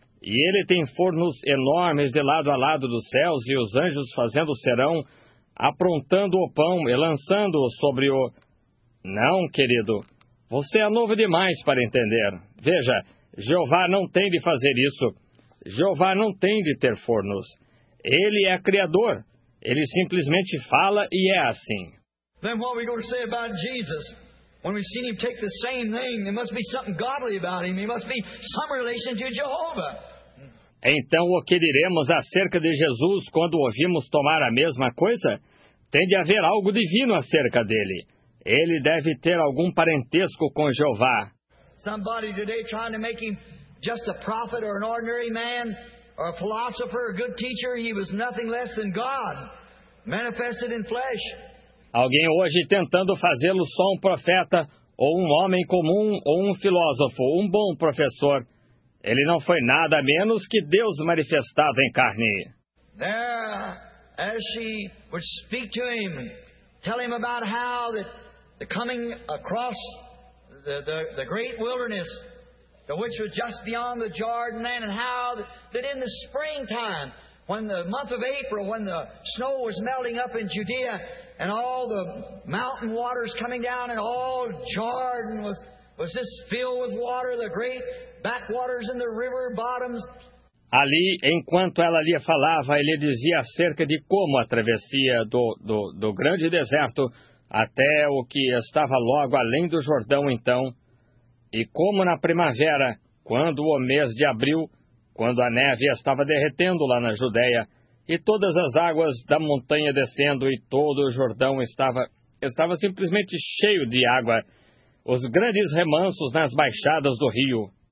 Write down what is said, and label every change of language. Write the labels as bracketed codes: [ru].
[pt] E ele tem fornos enormes de lado a lado dos céus, e os anjos fazendo serão, aprontando o pão e lançando-o sobre o... Não, querido, você é novo demais para entender. Veja, Jeová não tem de fazer isso. Jeová não tem de ter fornos. Ele é Criador. Ele simplesmente fala e é assim. [en] Then what are we going to say about Jesus? When we see him take the same thing, there must be something godly about him. He must be some relation to Jehovah. [pt] Então, o que diremos acerca de Jesus quando ouvimos tomar a mesma coisa? Tem de haver algo divino acerca dele. Ele deve ter algum parentesco com Jeová. [en] Somebody today trying to make him just a prophet or an ordinary man or a philosopher or a good teacher, he was nothing less than God, manifested in flesh. [pt] Alguém hoje tentando fazê-lo só um profeta, ou um homem comum, ou um filósofo, ou um bom professor. Ele não foi nada menos que Deus manifestado em carne. [en] There, as she would speak to him, tell him about how the coming across the great wilderness, the which was just beyond the Jordan, and how that in the springtime, when the month of April, when the snow was melting up in Judea, and all the mountain waters coming down, and all Jordan was just filled with water, the great backwaters and the river bottoms. [pt] Ali, enquanto ela lhe falava, ele dizia acerca de como a travessia do grande deserto até o que estava logo além do Jordão então, e como na primavera, quando o mês de abril, quando a neve estava derretendo lá na Judeia, e todas as águas da montanha descendo, e todo o Jordão estava simplesmente cheio de água, os grandes remansos nas baixadas do rio.